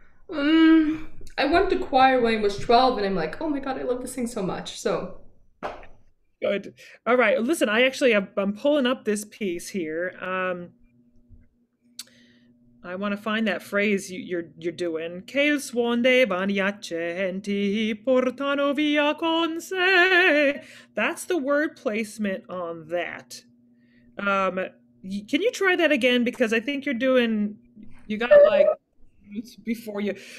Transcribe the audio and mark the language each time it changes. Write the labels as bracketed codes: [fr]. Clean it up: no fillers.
[en] I went to choir when I was 12 and I'm like, oh my God, I love to sing so much. So good. All right. Listen, I'm pulling up this piece here. I want to find that phrase you're doing. [it] Che il suon dei bagnacenti portano via con sé. [en] That's the word placement on that. Can you try that again? Because I think you're doing, you got like, before you.